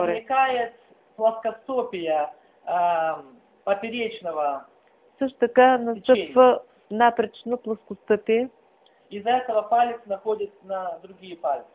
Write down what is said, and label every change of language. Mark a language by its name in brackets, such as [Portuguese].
[Russian] Возникает плоскостопие поперечного течения. [Bulgarian] Също така настъпва напречно плоскостопие. [Russian] Из-за этого палец находит на другие пальцы.